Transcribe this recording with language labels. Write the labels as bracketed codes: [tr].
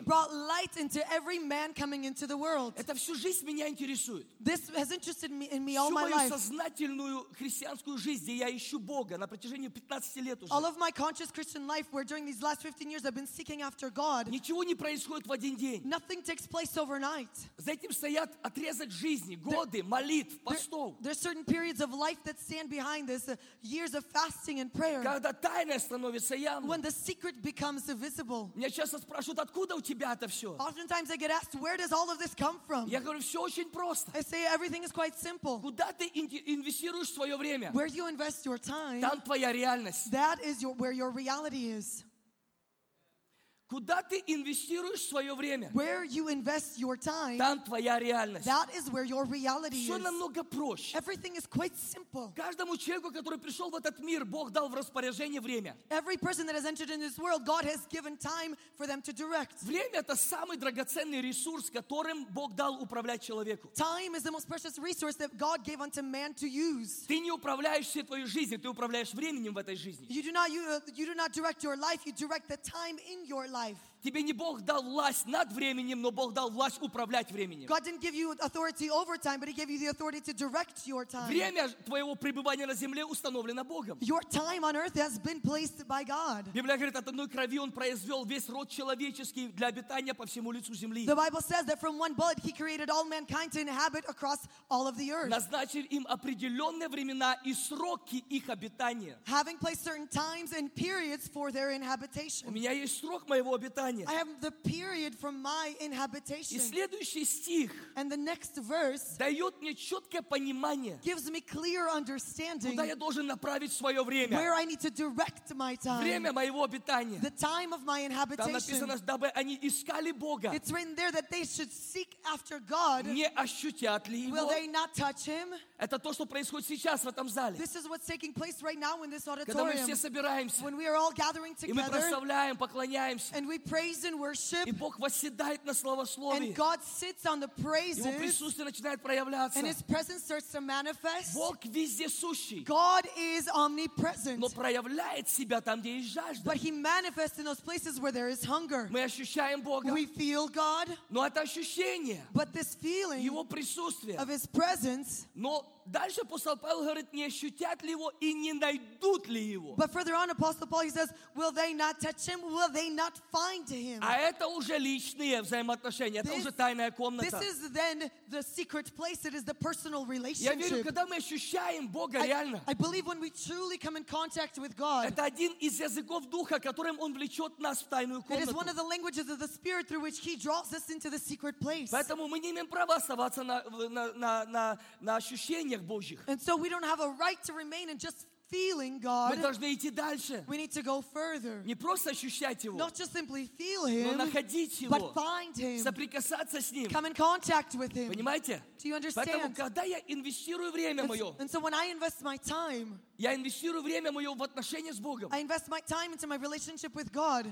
[en] He brought light into every man coming into the world. [ru] Это всю жизнь меня интересует. [en] This has interested me in me [ru] всю [en] all my life. [ru] Всю мою сознательную христианскую жизнь, где я ищу Бога на протяжении 15 лет уже. [en] All of my conscious Christian life, where during these last 15 years I've been seeking after God. [ru] Ничего не происходит в один день. [en] Nothing takes place overnight. [ru] За этим стоят отрезок жизни, годы, молитв, постов. [en] There are certain periods of life that stand behind this, years of fasting and prayer. [ru] Когда тайна становится явным. [en] When the secret becomes visible. [ru] Меня часто спрашивают, откуда у тебя это все? [en] Oftentimes I get asked, where does all of this come from? [ru] Я говорю, все очень просто. [en] I say, everything is quite simple. [ru] Куда ты инвестируешь свое время? [en] Where you invest your time? [ru] Там твоя реальность. [en] That is where your reality is. [ru] Куда ты инвестируешь свое время? [en] Where you invest your time? [ru] Там твоя реальность. [en] That is where your reality is. [ru] Все намного проще. [en] Everything is quite simple. [ru] Каждому человеку, который пришел в этот мир, Бог дал в распоряжение время. [en] Every person that has entered in this world, God has given time for them to direct. [ru] Время — это самый драгоценный ресурс, которым Бог дал управлять человеку. [en] Time is the most precious resource that God gave unto man to use. [ru] Ты не управляешь всей твоей жизнью, ты управляешь временем в этой жизни. [en] You do not direct your life, you direct the time in your life. [ru] Тебе не Бог дал власть над временем, но Бог дал власть управлять временем. [en] God didn't give you authority over time, but He gave you the authority to direct your time. [ru] Время твоего пребывания на земле установлено Богом. [en] Your time on earth has been placed by God. [ru] Библия говорит, от одной крови Он произвел весь род человеческий для обитания по всему лицу земли. [en] The Bible says that from one blood He created all mankind to inhabit across all of the earth. [ru] Назначив им определенные времена и сроки их обитания. [en] Having placed certain times and periods for their inhabitation. [ru] У меня есть срок моего обитания. [en] I have the period from my inhabitation. [ru] И следующий стих [en] and the next verse [ru] дает мне четкое понимание, [en] gives me clear understanding, [ru] куда я должен направить свое время, [en] where I need to direct my time, [ru] время моего обитания, [en] the time of my inhabitation. [ru] Там написано, дабы они искали Бога. [en] It's written there that they should seek after God. [ru] Не ощутят ли его? [en] Will they not touch him? [ru] Это то, что происходит сейчас в этом зале. [en] This is what's taking place right now in this auditorium. [ru] Когда мы все собираемся, [en] when we are all gathering together, [ru] и мы прославляем, поклоняемся, [en] and we pray praise and worship. [ru] И Бог восседает на славословии. [en] And God sits on the praises. [ru] Его присутствие начинает проявляться. [en] And His presence starts to manifest. [ru] Бог вездесущий. [en] God is omnipresent. [ru] Но проявляет себя там, где есть жажда. [en] But He manifests in those places where there is hunger. [ru] Мы ощущаем Бога. [en] We feel God. [ru] Но это ощущение. [en] But this feeling. [ru] Его присутствие. [en] Of His presence. [ru] Но дальше апостол Павел говорит, не ощутят ли его и не найдут ли его. [en] But further on, Apostle Paul, he says, will they not touch him? Will they not find him? [ru] А это уже личные взаимоотношения, это уже тайная комната. [en] This is then the secret place. It is the personal relationship. [ru] Я верю, когда мы ощущаем Бога реально. [en] I believe when we truly come in contact with God. [ru] Это один из языков Духа, которым Он влечет нас в тайную комнату. [en] It is one of the languages of the Spirit through which He draws us into the secret place. [ru] Поэтому мы не имеем права оставаться на ощущениях. [en] And so we don't have a right to remain in just feeling God. [ru] Мы должны идти дальше. [en] We need to go further. [ru] Не просто ощущать его. [en] Not just simply feel him. [ru] Но находить его. [en] But find him. [ru] Соприкасаться с ним. [en] Come in contact with him. [ru] Понимаете? [en] Do you understand? [ru] Поэтому когда я инвестирую время мое. [en] And so when I invest my time. [ru] Я инвестирую время мое в отношения с Богом. [en] I invest my time into my relationship with God.